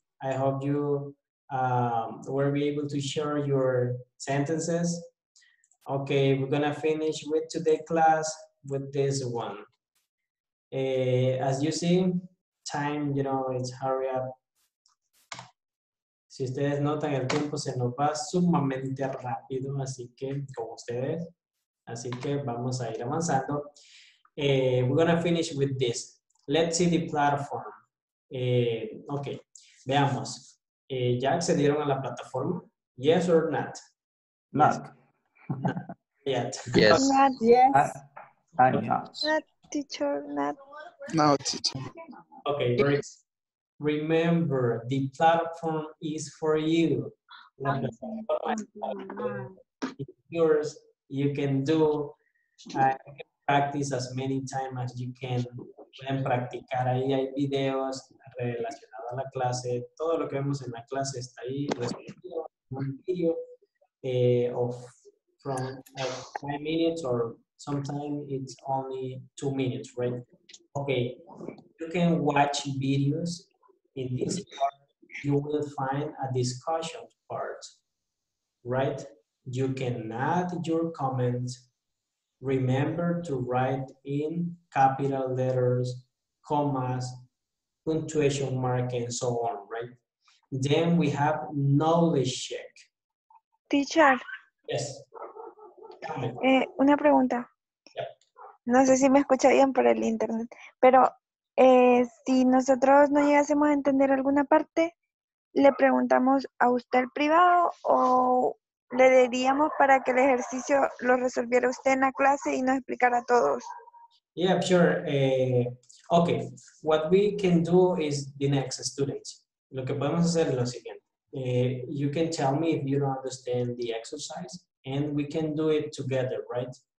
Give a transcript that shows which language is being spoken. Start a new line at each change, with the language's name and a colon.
English: I hope you will be able to share your sentences. Okay, we're gonna finish with today's class with this one. As you see, time, you know, it's hurry up.
Spanish: Si ustedes notan, el tiempo se nos va sumamente rápido, así que, como ustedes, así que vamos a ir avanzando.
English: We're gonna finish with this. Let's see the platform.
Spanish: Okay, veamos. ¿Ya accedieron a la plataforma?
English: Yes or not? Not. Yet. Yes. Not yet. Not. Not teacher, not. No teacher. Okay, great. Remember, the platform is for you. It's yours. You can do, you can practice as many times as you can.
Spanish: Pueden practicar ahí, hay videos relacionados a la clase. Todo lo que vemos en la clase está ahí, respondido en un video.
English: From 5 minutes, or sometimes it's only 2 minutes, right? Okay, you can watch videos. In this part, you will find a discussion part, right? You can add your comments. Remember to write in capital letters, commas, punctuation mark, and so on, right? Then we have knowledge check. Teacher. Yes.
Spanish: Una pregunta.
English: Yeah.
Spanish: No sé si me escucha bien por el internet, pero si nosotros no llegásemos a entender alguna parte, ¿le preguntamos a usted privado o...? Le diríamos para que el ejercicio lo resolviera usted en la clase y nos explicara a todos.
English: Yeah, sure. Okay. What we can do is the next students.
Spanish: Lo que podemos hacer es lo siguiente.
English: You can tell me if you don't understand the exercise and we can do it together, right?